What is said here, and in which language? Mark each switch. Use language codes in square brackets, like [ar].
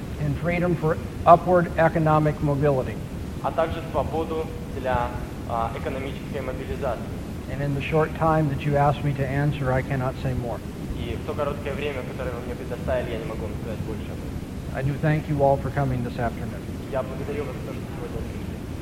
[en] And freedom for upward economic mobility. [ru] А также свободу для экономической мобилизации. [en] And in the short time that you asked me to answer, I cannot say more. [ru] И в то короткое время, которое вы мне предоставили, я не могу вам сказать больше об этом. [en] I do thank you all for coming this afternoon. [ru] Я благодарю вас за то, что сегодня пришли.